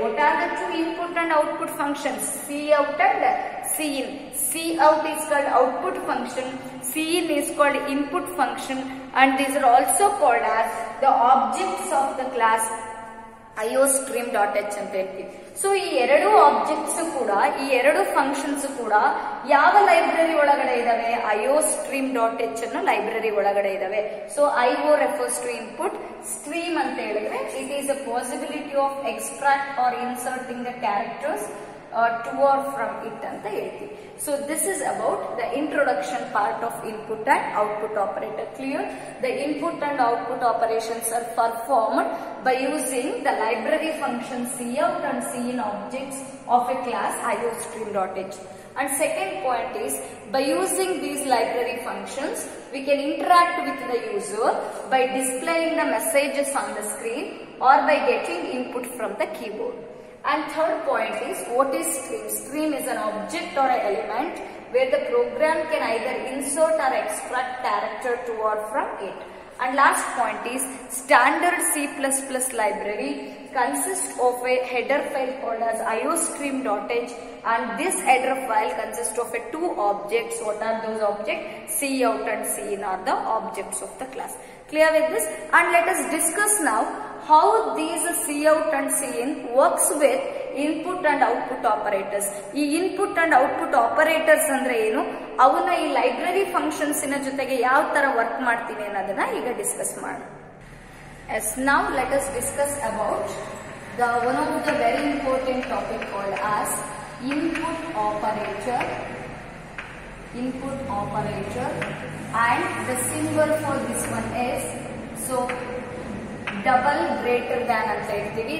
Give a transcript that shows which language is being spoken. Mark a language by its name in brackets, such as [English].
[English] What are the two input and output functions? Cout and Cin. Cout is called output function, Cin is called input function, and these are also called as the objects of the class iostream.h. So, [Kannada] ಈ ಎರಡು objects ಕೂಡ ಈ ಎರಡು functions ಕೂಡ ಯಾವ library ಒಳಗಡೆ ಇದಾವೆ? iostream.h ಅನ್ನು ಲೈಬ್ರರಿ ಒಳಗಡೆ ಇದಾವೆ. [English] so IO refers to input, stream [Kannada] ಅಂತ ಹೇಳಿದ್ರೆ [English] it is a possibility of extract or inserting the characters to or from it [Kannada] ಅಂತ ಹೇಳ್ತಿ. [English] So this is about the introduction part of input and output operator. Clear? The input and output operations are performed by using the library function cout and cin objects of a class iostream.h. And second point is, by using these library functions, we can interact with the user by displaying the messages on the screen or by getting input from the keyboard. And third point is, what is stream? Stream is an object or an element where the program can either insert or extract character to or from it. And last point is, standard C++ library consists of a header file called as iostream.h, and this header file consists of a two objects. What are those objects? Cout and Cin are the objects of the class. Clear with this? And let us discuss now how these Cout and Cin works with input and output operators. [Kannada] ಈ [English] input and output operators [Kannada] ಅಂದ್ರೆ ಏನು? ಅವನ್ನ ಈ library functions ನ ಜೊತೆಗೆ ಯಾವ ತರ work ಮಾಡ್ತೀನಿ ಅನ್ನೋದನ್ನ ಈಗ ಡಿಸ್ಕಸ್ ಮಾಡೋಣ. [English] Yes, now let us discuss about the one of the very important topic called as input operator. Input operator and the symbol for this one is, so double greater than [Kannada] ಅಂತ ಹೇಳ್ತೀವಿ.